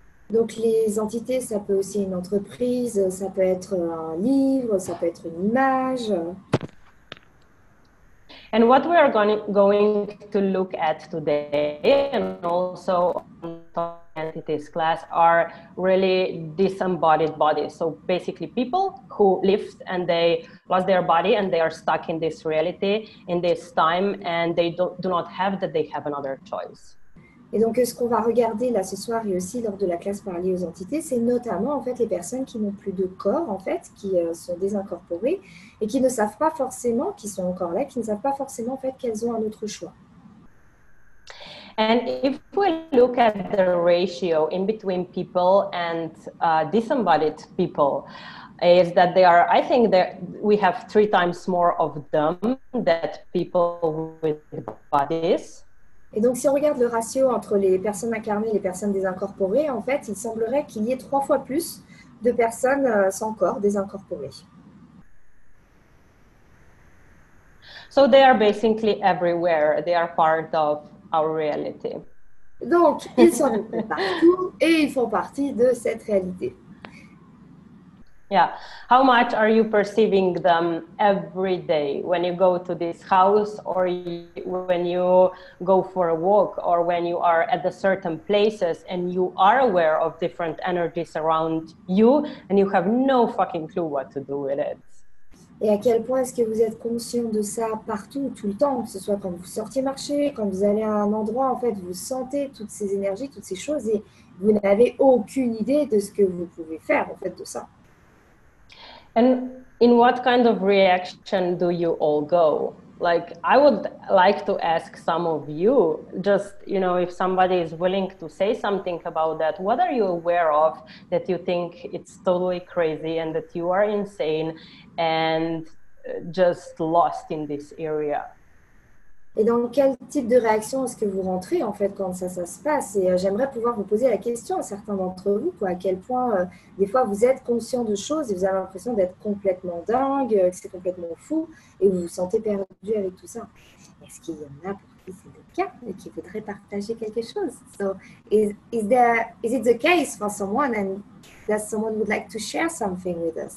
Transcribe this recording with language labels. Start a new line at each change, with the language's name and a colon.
French: Donc les entités, ça peut aussi être une entreprise, ça peut être un livre, ça peut être une image.
English: And what we are going to look at today, and also on the entities class, are really disembodied bodies. So basically people who lived and they lost their body and they are stuck in this reality, in this time, and they do not have that they have another choice.
French: Et donc, ce qu'on va regarder là ce soir et aussi lors de la classe parlée aux entités, c'est notamment en fait les personnes qui n'ont plus de corps en fait, qui sont désincorporées et qui ne savent pas forcément qu'ils sont encore là, qui ne savent pas forcément en fait qu'elles ont un autre choix.
English: And if we look at the ratio in between people and disembodied people, is that they are, I think that we have three times more of them than people with bodies.
French: Et donc, si on regarde le ratio entre les personnes incarnées et les personnes désincorporées, en fait, il semblerait qu'il y ait trois fois plus de personnes sans corps désincorporées.
English: So they are basically everywhere. They are part of our reality.
French: Donc, ils sont partout et ils font partie de cette réalité.
English: Yeah. How much are you perceiving them every day when you go to this house or when you go for a walk or when you are at the certain places and you are aware of different energies around you and you have no fucking clue what to do with it?
French: Et à quel point est-ce que vous êtes conscient de ça partout, tout le temps, que ce soit quand vous sortiez marcher, quand vous allez à un endroit, en fait, vous sentez toutes ces énergies, toutes ces choses et vous n'avez aucune idée de ce que vous pouvez faire, en fait, de ça.
English: And in what kind of reaction do you all go? Like, I would like to ask some of you, just, you know, if somebody is willing to say something about that, what are you aware of that you think it's totally crazy and that you are insane and just lost in this area?
French: Et dans quel type de réaction est-ce que vous rentrez, en fait, quand ça se passe? Et j'aimerais pouvoir vous poser la question à certains d'entre vous, quoi, à quel point, des fois, vous êtes conscient de choses et vous avez l'impression d'être complètement dingue, que c'est complètement fou, et vous vous sentez perdu avec tout ça. Est-ce qu'il y en a pour qui c'est le cas et qui voudraient partager quelque chose?
English: So, is it the case for someone and that someone would like to share something with us?